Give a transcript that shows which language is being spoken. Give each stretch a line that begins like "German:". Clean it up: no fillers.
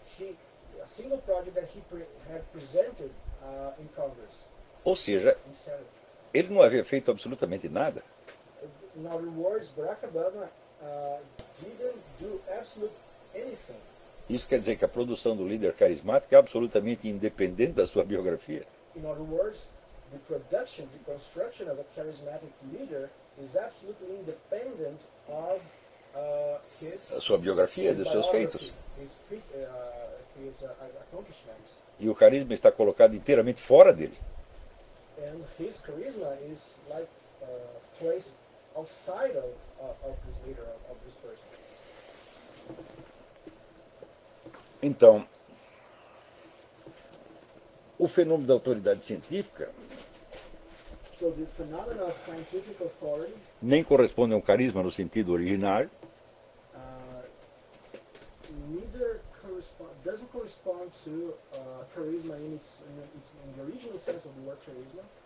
English: A single project that he had presented in Congress.
Portuguese: Ou seja, ele não havia feito absolutamente nada.
English: In other words, Barack Obama didn't do absolutely anything.
Portuguese: Isso quer dizer que a produção do líder carismático é absolutamente independente da sua biografia.
English: In other words, the production, the construction of a charismatic leader is absolutely independent of his
Portuguese: a sua biografia, de seus feitos.
English: His accomplishments.
Portuguese: E o carisma está colocado inteiramente fora dele.
English: And his charisma is like placed outside of this leader, of this person.
Portuguese: Então, o fenômeno da autoridade científica
English: so the phenomenon of scientific authority
Portuguese: nem corresponde a um carisma no sentido originário.
English: Neither doesn't correspond to charisma in the original sense of the word charisma.